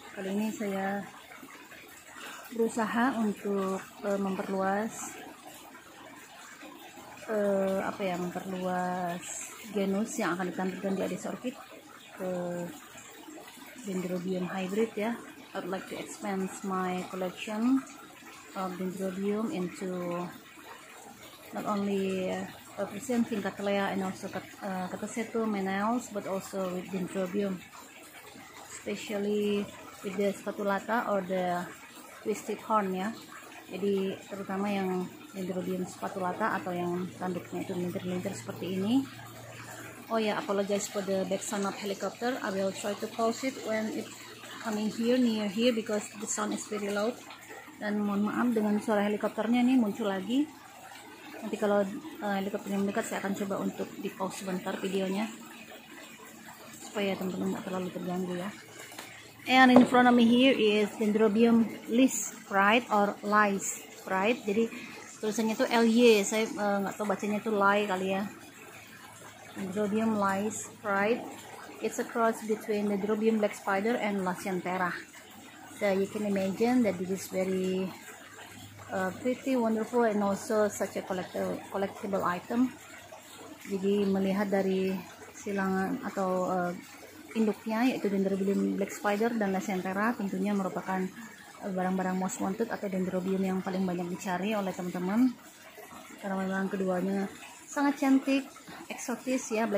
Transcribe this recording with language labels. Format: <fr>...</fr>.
<id>Kali ini saya berusaha untuk memperluas memperluas genus yang akan ditampilkan di Ades Orchid ke dendrobium hybrid ya.</id> <en>I'd like to expand my collection of dendrobium into not only presenting Cattleya and also Cattasetum and else, but also with dendrobium, especially with the spatulata or the twisted horn ya.</en> <id>Jadi terutama yang dendrobium spatulata atau yang tanduknya itu melintir-lintir seperti ini.</id> <en>Oh yeah, apologize for the back sound of helicopter. I will try to pause it when it's coming here, near here, because the sound is very loud.</en> <id>Dan mohon maaf dengan suara helikopternya nih muncul lagi. Nanti kalau helikopternya mendekat, saya akan coba untuk di pause sebentar videonya supaya teman-teman gak terlalu terganggu ya.</id> <en>And in front of me here is dendrobium lys pride or lys pride.</en> <id>Jadi tulisannya tuh L-Y, saya gak tahu bacanya tuh lay kali ya.</id> <en>Dendrobium lys pride, it's a cross between the dendrobium black spider and Lysian tera. So you can imagine that this is very pretty, wonderful, and also such a collectible item.</en> <id>Jadi melihat dari silangan atau induknya yaitu dendrobium black spider dan Lysian tera, tentunya merupakan barang-barang</id> <en>most wanted</en> <id>atau dendrobium yang paling banyak dicari oleh teman-teman, karena memang keduanya sangat cantik, eksotis ya.</id>